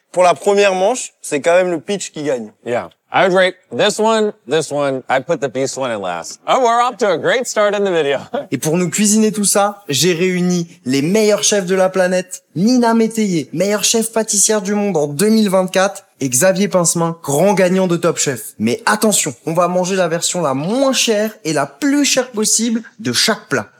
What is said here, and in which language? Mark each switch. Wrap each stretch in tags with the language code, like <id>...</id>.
<fr>Pour la première manche, c'est quand même le peach qui gagne.</fr> <en>Yeah. I would rate this one, I put the beast one in last. Oh, we're off to a great start in the video.</en> <fr>Et pour nous cuisiner tout ça, j'ai réuni les meilleurs chefs de la planète. Nina Métayer, meilleure chef pâtissière du monde en 2024. Et Xavier Pincemin, grand gagnant de Top Chef. Mais attention, on va manger la version la moins chère et la plus chère possible de chaque plat.</fr>